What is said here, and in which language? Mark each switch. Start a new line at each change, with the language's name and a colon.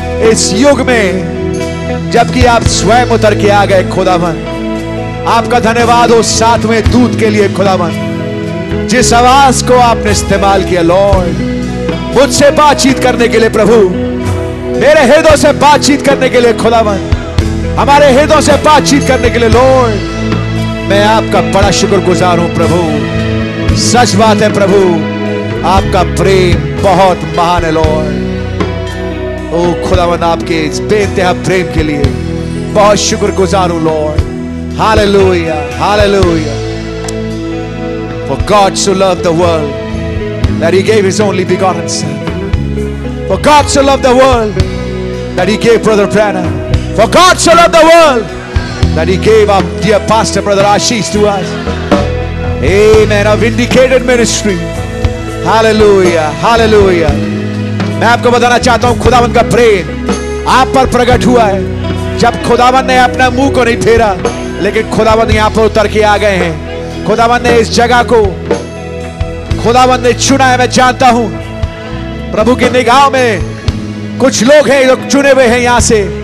Hindi: इस युग में जबकि आप स्वयं उतर के आ गए खुदावन, आपका धन्यवाद हो साथ में दूत के लिए खुदावन, जिस आवाज को आपने इस्तेमाल किया लॉर्ड मुझसे बातचीत करने के लिए प्रभु, मेरे हृदय से बातचीत करने के लिए खुदावन, हमारे हृदय से बातचीत करने के लिए लॉर्ड, मैं आपका बड़ा शुक्रगुजार हूं प्रभु. सच बात है प्रभु, आपका प्रेम बहुत महान है लॉर्ड. ओ खुदावन, आपके इस बेतहा प्रेम के लिए बहुत शुक्रगुजार हूं Lord. Hallelujah, hallelujah.
English: For God so loved the world that he gave his only begotten son. For God so loved the world that he gave Brother Branham. For God so loved the world that he gave our dear pastor Brother Ashish to us. Amen. A vindicated ministry. Hallelujah, hallelujah.
Hindi: मैं आपको बताना चाहता हूँ, खुदावन का प्रेम आप पर प्रकट हुआ है. जब खुदावन ने अपना मुंह को नहीं फेरा, लेकिन खुदावन यहाँ पर उतर के आ गए हैं. खुदावन ने इस जगह को खुदावन ने चुना है. मैं जानता हूं प्रभु की निगाह में कुछ लोग हैं जो चुने हुए हैं यहां से.